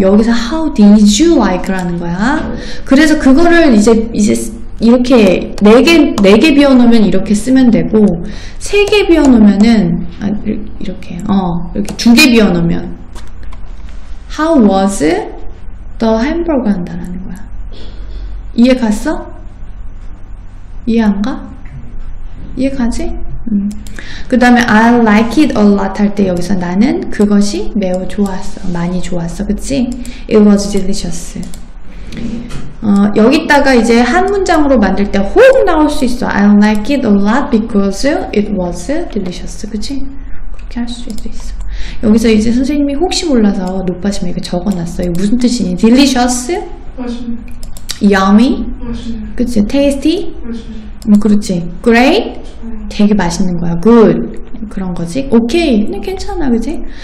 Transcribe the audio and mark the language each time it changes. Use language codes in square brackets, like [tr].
[ko] 여기서 [en] How did you like [ko] 라는 거야. 그래서 그거를 이제 이렇게 네 개 비워놓으면 이렇게 쓰면 되고 3개 비워놓으면은 이렇게 2개 비워놓으면 [en] How was the hamburger [ko] 한다라는 거야. 이해 갔어? 이해 안 가? 이해 가지? 그 다음에 [en] I like it a lot [ko] 할 때 여기서 나는 그것이 매우 좋았어. 많이 좋았어. 그치? [en] It was delicious. [ko] 여기다가 이제 한 문장으로 만들 때 혹 나올 수 있어. [en] I like it a lot because it was delicious. [ko] 그치? 그렇게 할 수도 있어. 여기서 이제 선생님이 혹시 몰라서 노빠시면 이거 적어놨어요. 무슨 뜻이니? Delicious? 맛있네. [en] Yummy? [ko] 맛있네. 그치? Tasty? 맛있네. 그렇지. Great? 되게 맛있는 거야. Good. 그런 거지. Okay. 근데 괜찮아. 그치?